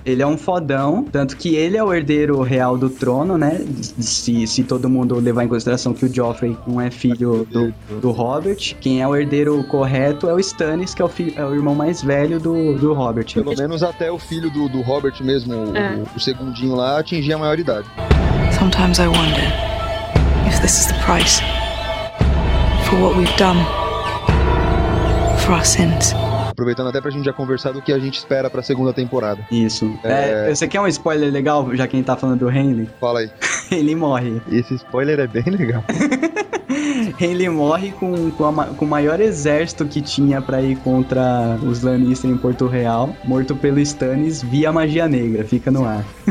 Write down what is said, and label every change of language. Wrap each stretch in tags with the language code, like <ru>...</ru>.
<pt>Ele é um fodão, tanto que ele é o herdeiro real do trono, né? Se todo mundo levar em consideração que o Joffrey não é filho do Robert, quem é o herdeiro correto é o Stannis, que é o irmão mais velho do Robert. Pelo menos até o filho do Robert mesmo, o segundinho lá, atingir a maioridade.</pt> <en>Sometimes I wonder if this is the price for what we've done, for our sins.</en> <pt>Aproveitando até pra gente já conversar do que a gente espera pra segunda temporada. Isso. Você quer um spoiler legal, já que a gente tá falando do Henley? Fala aí. Ele morre. Esse spoiler é bem legal. Henley morre com o maior exército que tinha pra ir contra os Lannister em Porto Real, morto pelo Stannis via magia negra, fica no ar.</pt>